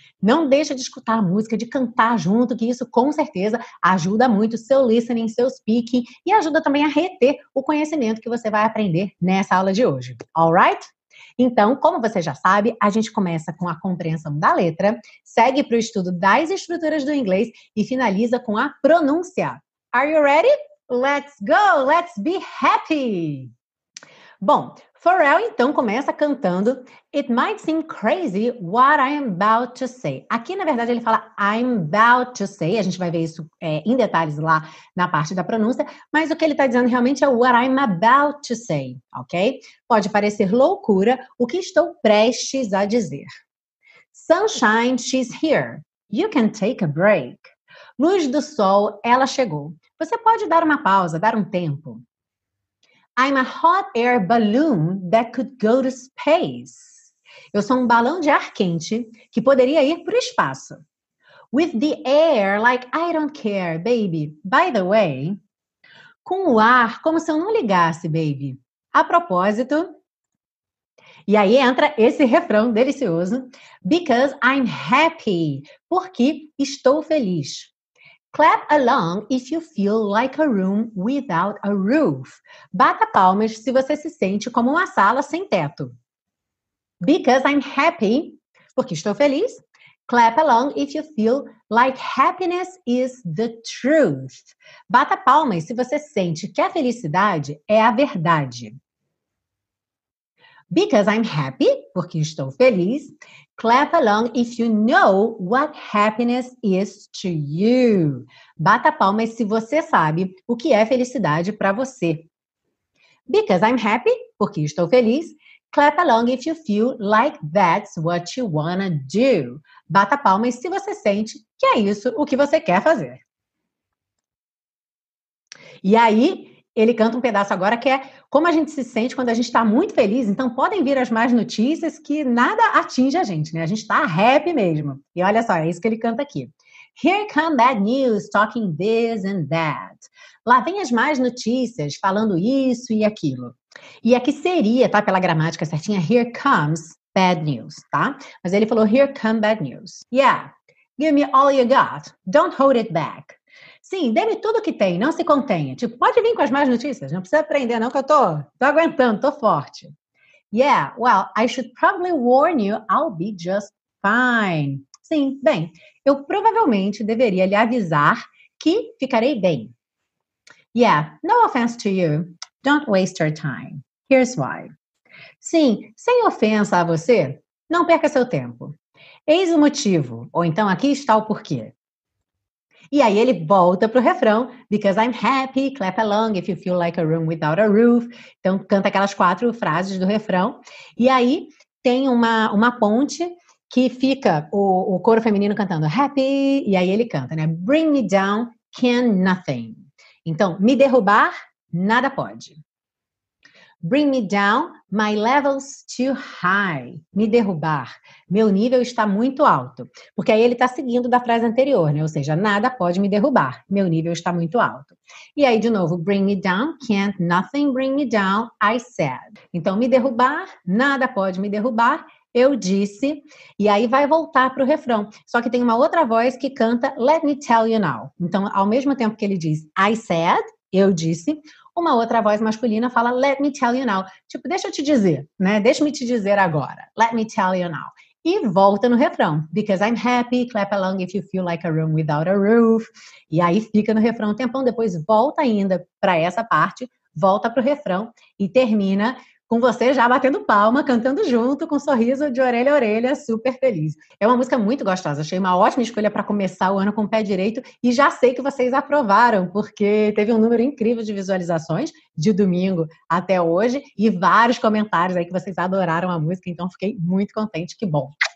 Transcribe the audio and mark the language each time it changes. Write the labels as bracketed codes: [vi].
[pt] Não deixa de escutar a música, de cantar junto, que isso com certeza ajuda muito o seu listening, seu speaking, e ajuda também a reter o conhecimento que você vai aprender nessa aula de hoje. [en] All right? [pt] Então, como você já sabe, a gente começa com a compreensão da letra, segue para o estudo das estruturas do inglês e finaliza com a pronúncia. [en] Are you ready? Let's go! Let's be happy! [pt] Bom, Pharrell então começa cantando [en] It might seem crazy what I'm about to say. [pt] Aqui, na verdade, ele fala [en] I'm about to say. [pt] A gente vai ver isso em detalhes lá na parte da pronúncia, mas o que ele está dizendo realmente é [en] what I'm about to say, [pt] ok? Pode parecer loucura o que estou prestes a dizer. [en] Sunshine, she's here. You can take a break. [pt] Luz do sol, ela chegou. Você pode dar uma pausa, dar um tempo. [en] I'm a hot air balloon that could go to space. [pt] Eu sou um balão de ar quente que poderia ir para o espaço. [en] With the air, like I don't care, baby. By the way, [pt] com o ar, como se eu não ligasse, baby. A propósito. E aí entra esse refrão delicioso. [en] Because I'm happy. [pt] Porque estou feliz. [en] Clap along if you feel like a room without a roof. [pt] Bata palmas se você se sente como uma sala sem teto. [en] Because I'm happy, [pt] porque estou feliz. [en] Clap along if you feel like happiness is the truth. [pt] Bata palmas se você sente que a felicidade é a verdade. [en] Because I'm happy, [pt] porque estou feliz. [en] Clap along if you know what happiness is to you. [pt] Bata palmas se você sabe o que é felicidade para você. [en] Because I'm happy, [pt] porque estou feliz. [en] Clap along if you feel like that's what you wanna do. [pt] Bata palmas se você sente que é isso o que você quer fazer. E aí, ele canta um pedaço agora que é como a gente se sente quando a gente está muito feliz. Então, podem vir as más notícias que nada atinge a gente, né? A gente está happy mesmo. E olha só, é isso que ele canta aqui. [en] Here come bad news, talking this and that. [pt] Lá vem as más notícias, falando isso e aquilo. E aqui seria, tá? Pela gramática certinha, [en] here comes bad news, [pt] tá? Mas ele falou, [en] here come bad news. Yeah, give me all you got. Don't hold it back. [pt] Sim, dê-me tudo que tem, não se contenha. Tipo, pode vir com as más notícias, não precisa aprender, não, que eu tô aguentando, tô forte. [en] Yeah, well, I should probably warn you, I'll be just fine. [pt] Sim, bem, eu provavelmente deveria lhe avisar que ficarei bem. [en] Yeah, no offense to you. Don't waste your time. Here's why. [pt] Sim, sem ofensa a você, não perca seu tempo. Eis o motivo, ou então aqui está o porquê. E aí ele volta pro refrão, [en] because I'm happy, clap along if you feel like a room without a roof. [pt] Então canta aquelas quatro frases do refrão. E aí tem uma ponte que fica o coro feminino cantando happy, e aí ele canta, né? [en] Bring me down, can nothing. [pt] Então, me derrubar, nada pode. [en] Bring me down, my level's too high. [pt] Me derrubar, meu nível está muito alto. Porque aí ele está seguindo da frase anterior, né? Ou seja, nada pode me derrubar, meu nível está muito alto. E aí, de novo, [en] bring me down, can't nothing bring me down, I said. [pt] Então, me derrubar, nada pode me derrubar, eu disse. E aí vai voltar para o refrão. Só que tem uma outra voz que canta, [en] let me tell you now. [pt] Então, ao mesmo tempo que ele diz, [en] I said, [pt] eu disse, uma outra voz masculina fala, [en] let me tell you now. [pt] Tipo, deixa eu te dizer, né? Deixa-me te dizer agora. [en] Let me tell you now. [pt] E volta no refrão. [en] Because I'm happy, clap along if you feel like a room without a roof. [pt] E aí fica no refrão um tempão. Depois volta ainda para essa parte. Volta pro refrão. E termina com você já batendo palma, cantando junto, com um sorriso de orelha a orelha, super feliz. É uma música muito gostosa, achei uma ótima escolha para começar o ano com o pé direito, e já sei que vocês aprovaram, porque teve um número incrível de visualizações, de domingo até hoje, e vários comentários aí que vocês adoraram a música, então fiquei muito contente, que bom.